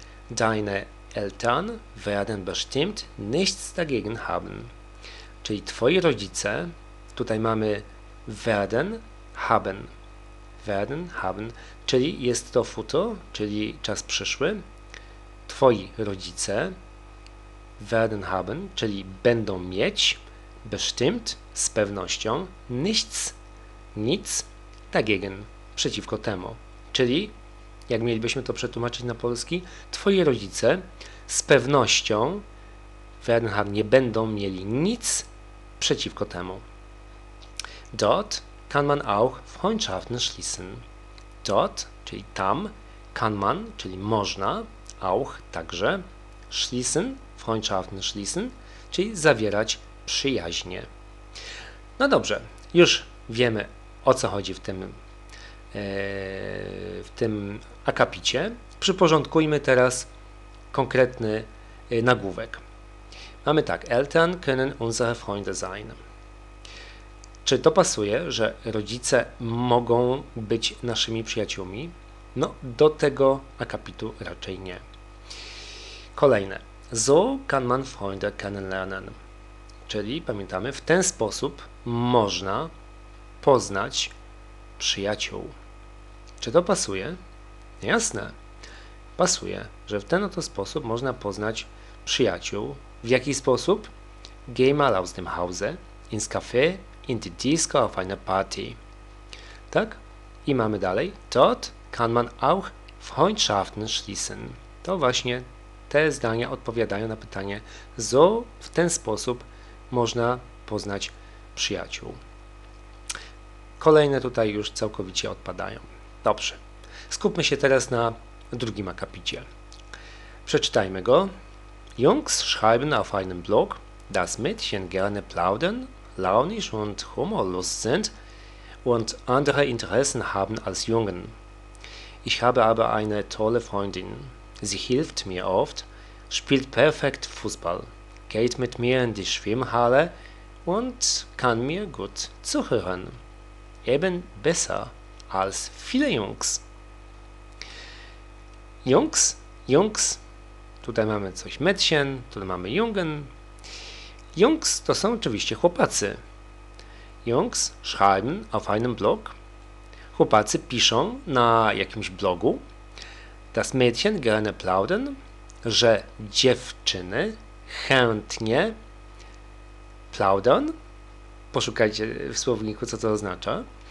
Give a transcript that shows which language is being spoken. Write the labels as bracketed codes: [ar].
[de] Deine Eltern werden bestimmt nichts dagegen haben. [pl] Czyli twoi rodzice, tutaj mamy [de] werden, haben. Werden, haben, [pl] czyli jest to futur, czyli czas przyszły. Twoi rodzice [de] werden haben, [pl] czyli będą mieć, bestimmt, z pewnością, nichts, nic, dagegen, przeciwko temu. Czyli, jak mielibyśmy to przetłumaczyć na polski, twoi rodzice z pewnością [de] werden haben, [pl] nie będą mieli nic przeciwko temu. [de] Dort kann man auch Freundschaften schließen. Dort, [pl] czyli tam, [de] kann man, [pl] czyli można, auch, także, schließen, [de] Freundschaften schließen, [pl] czyli zawierać przyjaźnie. No dobrze, już wiemy, o co chodzi w tym akapicie. Przyporządkujmy teraz konkretny nagłówek. Mamy tak, [de] Eltern können unsere Freunde sein. [pl] Czy to pasuje, że rodzice mogą być naszymi przyjaciółmi? No, do tego akapitu raczej nie. Kolejne. [de] So kann man Freunde kennenlernen. [pl] Czyli pamiętamy, w ten sposób można poznać przyjaciół. Czy to pasuje? Jasne. Pasuje, że w ten oto sposób można poznać przyjaciół. W jaki sposób? [de] Geh mal aus dem Hause, ins Café, in die Disco auf eine Party. [pl] Tak? I mamy dalej. [de] Dort kann man auch Freundschaften schließen. [pl] To właśnie te zdania odpowiadają na pytanie, so w ten sposób można poznać przyjaciół. Kolejne tutaj już całkowicie odpadają. Dobrze. Skupmy się teraz na drugim akapicie. Przeczytajmy go. [de] Jungs schreiben auf einem Blog, dass Mädchen gerne plaudern, launisch und humorlos sind und andere Interessen haben als Jungen. Ich habe aber eine tolle Freundin. Sie hilft mir oft, spielt perfekt Fußball, geht mit mir in die Schwimmhalle und kann mir gut zuhören. Eben besser als viele Jungs. [pl] Jungs, Jungs, tutaj mamy coś Mädchen, tutaj mamy Jungen. Jungs to są oczywiście chłopacy. [de] Jungs schreiben auf einem Blog. [pl] Chłopacy piszą na jakimś blogu. [de] Das Mädchen gerne plaudern, [pl] że dziewczyny chętnie plaudern. Poszukajcie w słowniku, co to oznacza.